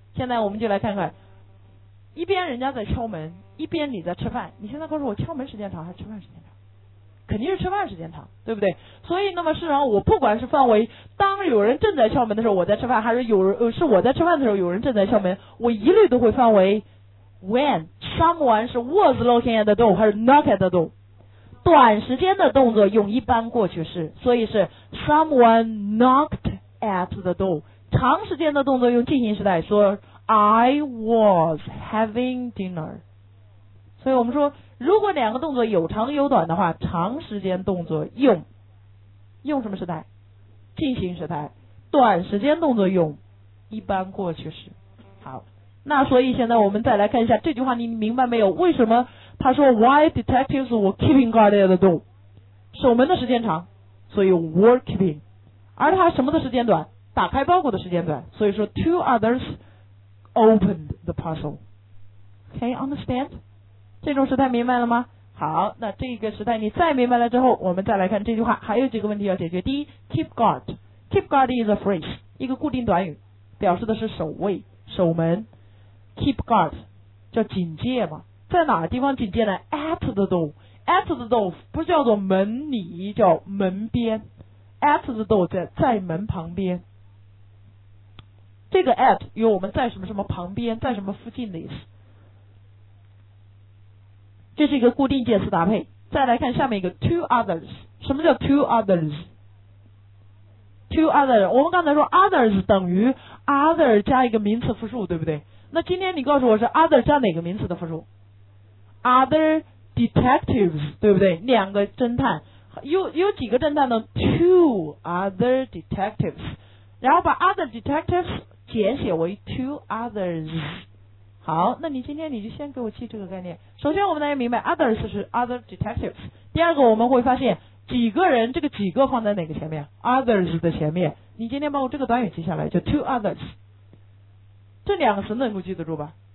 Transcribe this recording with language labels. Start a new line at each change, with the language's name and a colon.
Chinese: 现在我们就来看看，一边人家在敲门，一边你在吃饭，你现在告诉我敲门时间长还是吃饭时间长？肯定是吃饭时间长，对不对？所以那么事实上我不管是范围，当有人正在敲门的时候我在吃饭，还是有人是我在吃饭的时候有人正在敲门，我一律都会范围
English: when someone
Chinese: 是
English: was looking at the door
Chinese: 还是
English: knock at the door，
Chinese: 短时间的动作用一般过去式，所以是
English: someone knocked at the door，
Chinese: 长时间的动作用进行时态，说
English: I was having dinner。
Chinese: 所以我们说如果两个动作有长有短的话，长时间动作用什么时态？进行时态。短时间动作用一般过去式。好，那所以现在我们再来看一下这句话，你明白没有？为什么他说
English: Why detectives were keeping guard at the door，
Chinese: 守门的时间长，所以 were keeping， 而他什么的时间短？打开包裹的时间短，所以说
English: two others opened the parcel。 Okay， understand？
Chinese: 这种时态明白了吗？好，那这个时态你再明白了之后，我们再来看这句话还有几个问题要解决。第一， keep guard，
English: keep guard is a phrase，
Chinese: 一个固定短语，表示的是守卫守门。 Keep guard 叫警戒嘛，在哪地方警戒呢？
English: At the door， at the door
Chinese: 不叫做门里，叫门边。 At the door 在门旁边，这个 at 有我们在什么什么旁边，在什么附近的意思，这是一个固定介词搭配。再来看下面一个 two others， 什么叫 two others？ two others 我们刚才说 others 等于 other 加一个名词复数，对不对？那今天你告诉我是 other 加哪个名词的复数？
English: other detectives，
Chinese: 对不对？两个侦探，有几个侦探呢？
English: two other detectives，
Chinese: 然后把
English: other detectives
Chinese: 简写为
English: two others。
Chinese: 好，那你今天你就先给我记这个概念。首先我们大家明白 others 是 other detectives， 第二个我们会发现几个人，这个几个放在哪个前面？ others 的前面。你今天把我这个短语记下来，就 two others，这两个词能够记得住吧？